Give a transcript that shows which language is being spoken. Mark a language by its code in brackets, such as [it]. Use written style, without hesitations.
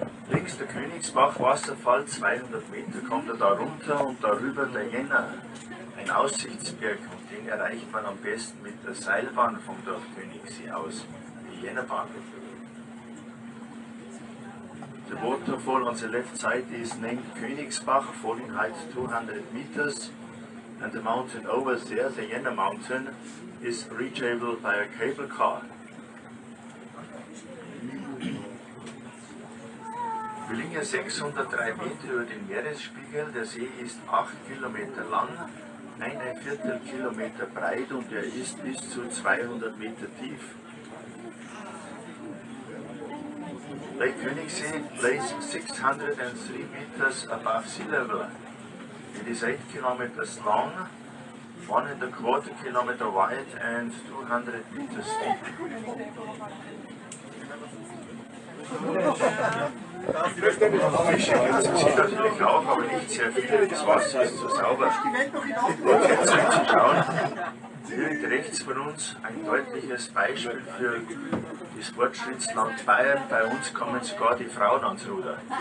[de] Links der Königsbach-Wasserfall, 200 Meter kommt er da runter und darüber der Jänner, ein Aussichtsberg, und den erreicht man am besten mit der Seilbahn vom Dorf Königssee aus, die Jännerbahn. [en] The waterfall on the left side is named Königsbach, falling height 200 meters, and the mountain over there, the Jänner Mountain, is reachable by a cable car. [de] Wir liegen ja 603 Meter über dem Meeresspiegel. Der See ist 8 Kilometer lang, 1,25 Kilometer breit und er ist bis zu 200 Meter tief. [en] Lake Königssee lays 603 Meters above sea level. It is 8 Kilometers long, 1.25 Kilometer wide and 200 Meters deep. [de] Ich sehe natürlich auch, aber nicht sehr viele. Das Wasser ist so sauber. Hier rechts von uns ein deutliches Beispiel für das Fortschrittsland Bayern. Bei uns kommen sogar die Frauen ans Ruder.